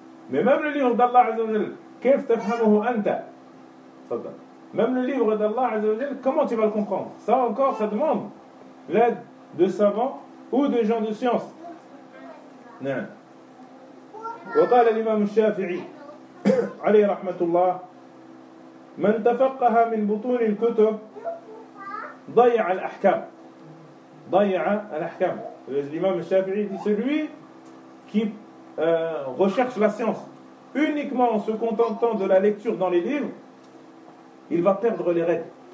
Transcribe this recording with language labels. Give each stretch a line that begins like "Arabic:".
French: Mais même le livre d'Allah, Azzawajal, كيف تفهمه أنت؟ Même le livre d'Allah, Azzawajal, comment tu vas le comprendre? Ça encore, ça demande l'aide de savants ou de gens de science. Non.
Arabic: وقال الإمام الشافعي عليه رحمة الله من تفقه من بطون الكتب ضيع الأحكام ضيع الأحكام.
French: L'imam al-Shafi'i dit, celui qui recherche la science uniquement en se contentant de la lecture dans les livres, il va perdre les règles.